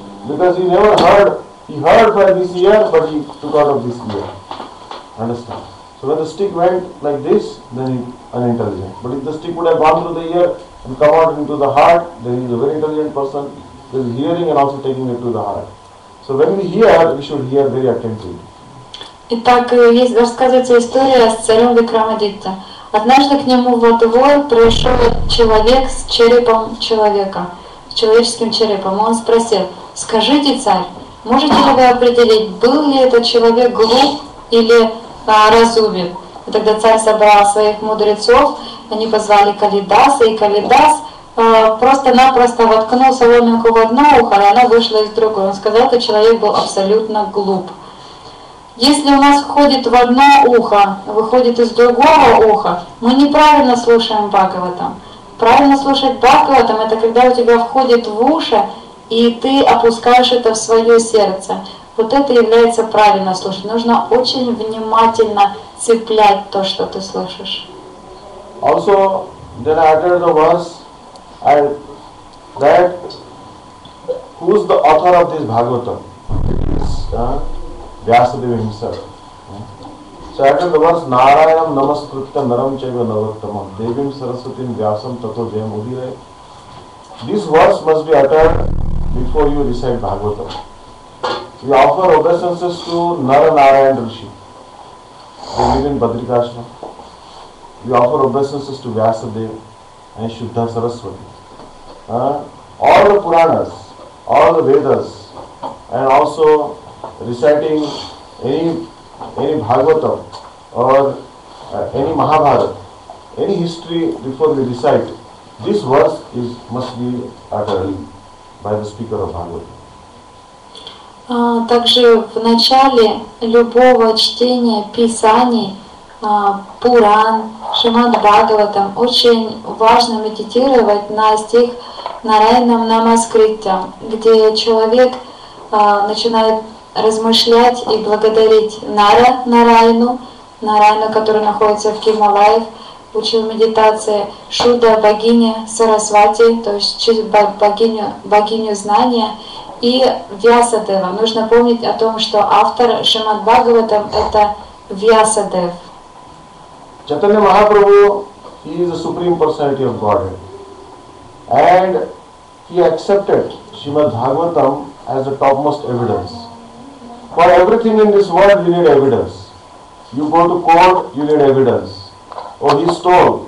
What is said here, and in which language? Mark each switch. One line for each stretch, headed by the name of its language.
English: Because he never heard, he heard by this ear, but he took out of this ear. Understand? So when the stick went like this, then he unintelligent. But if the stick would have gone through the ear and come out into the heart, then he is a very intelligent person. He is hearing and also taking it to the heart. So when we hear, we should hear very attentively.
Russian: Итак, рассказывается история с царем Викрамадитта. Однажды к нему во двор пришел человек с черепом человека, с человеческим черепом. Он спросил, скажите, царь, можете ли вы определить, был ли этот человек глуп или разумен? И тогда царь собрал своих мудрецов, они позвали Калидаса, и Калидас просто-напросто воткнул соломинку в одно ухо, и оно вышло из другого. Он сказал, что человек был абсолютно глуп. Если у нас входит в одно ухо, выходит из другого уха, мы неправильно слушаем Бхагаватам. Правильно слушать Бхагаватам – это когда у тебя входит в уши, и ты опускаешь это в свое сердце. Вот это является правильно слушать. Нужно очень внимательно цеплять то, что ты слышишь.
English: Also, then I utter the verse, I that who is the author of this Bhagavatam? Vyasadeva himself. So I utter the verse,
Sanskrit: Narayanam namaskritya naram chaiva navottamam devim sarasvatim vyasam tato jayam udhirai.
English: This verse must be uttered before you recite Bhagavatam. We offer obeisances to Nara Narayan Rishi. They live in Badrikashma. We offer obeisances to Vyasadeva and Shuddha Saraswati. All the Puranas, all the Vedas, and also reciting any Bhagavatam or any Mahabharata, any history before we recite, this verse must be uttered by the speaker of Bhagavatam.
Russian: Также в начале любого чтения писаний, Пуран, Шримад Бхагаватам, очень важно медитировать на стих Нараянам Намаскритям, где человек начинает размышлять и благодарить Нараяну, который находится в Кималаях, учил медитации, Шуда богиня Сарасвати, то есть богиню знания, и Вьясадева. Нужно помнить о том, что автор Шримад Бхагаватам — это Вьясадев.
English: Чайтанья Махапрабху, he is the Supreme Personality of Godhead. And he accepted Шримад Бхагаватам as the topmost evidence. For everything in this world, you need evidence. You go to court, you need evidence. Oh, he stole.